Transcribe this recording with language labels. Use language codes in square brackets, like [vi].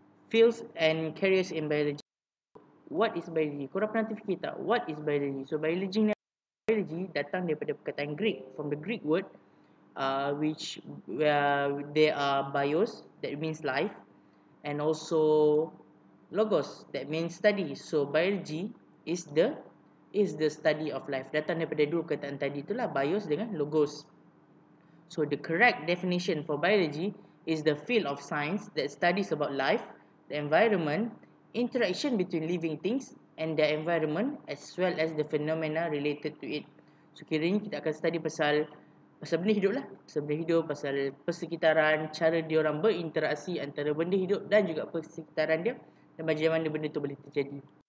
[en] Fields and careers in biology. What is biology? [ms] Korang pernah fikir tak? [en] What is biology? [ms] So, biology datang daripada perkataan Greek, [en] from the Greek word. Which there are bios, that means life, and also logos, that means study. So biology is the study of life. [ms] Datang daripada dua kataan tadi itulah, bios dengan logos. [en] So the correct definition for biology is the field of science that studies about life, the environment, interaction between living things and their environment, as well as the phenomena related to it. [ms] So kiranya kita akan study pasal benda hidup lah. Pasal benda hidup, pasal persekitaran, cara diorang berinteraksi antara benda hidup dan juga persekitaran dia, dan macam mana benda tu boleh terjadi.